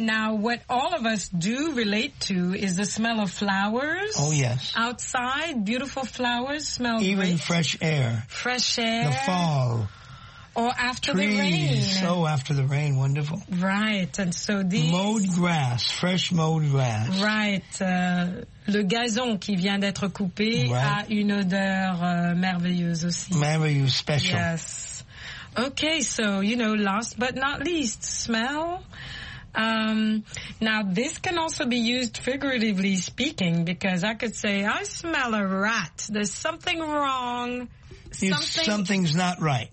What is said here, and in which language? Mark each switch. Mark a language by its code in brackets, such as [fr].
[en] Now, what all of us do relate to is the smell of flowers. Oh, yes. Outside, beautiful flowers smell even great. Even fresh air. Fresh air. The fall. Or after trees. The rain. So after the rain, wonderful. Right. And so these... Mowed grass, fresh mowed grass. Right. [fr] Le gazon qui vient d'être coupé [en] right. [fr] a une odeur merveilleuse aussi. Merveilleuse, special. [en] Yes. Okay, so, you know, last but not least, smell. Now, this can also be used figuratively speaking, because I could say, I smell a rat. There's something wrong. Something's not right.